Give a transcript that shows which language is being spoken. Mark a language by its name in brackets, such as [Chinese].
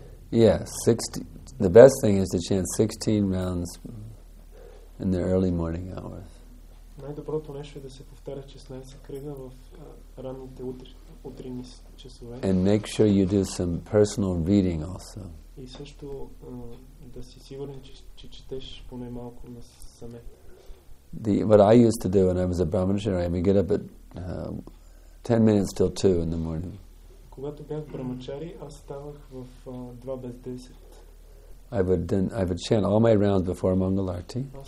[English] Yeah, 60, the best thing is to chant 16 rounds in the early morning hours. [Bulgarian] Най-доброто нещо е да се повтаря 16 кръга в ранните утринни часове. [English] And make sure you do some personal reading also. [Bulgarian] И също да си сигурен, че четеш поне малко на саме. [English] What I used to do when I was a brahmacharya, we get up at 10 minutes till 2 in the morning. [Bulgarian] Когато бях брамачари, аз ставах в 2 без 10. [English] I would chant all my rounds before Mangal Arati.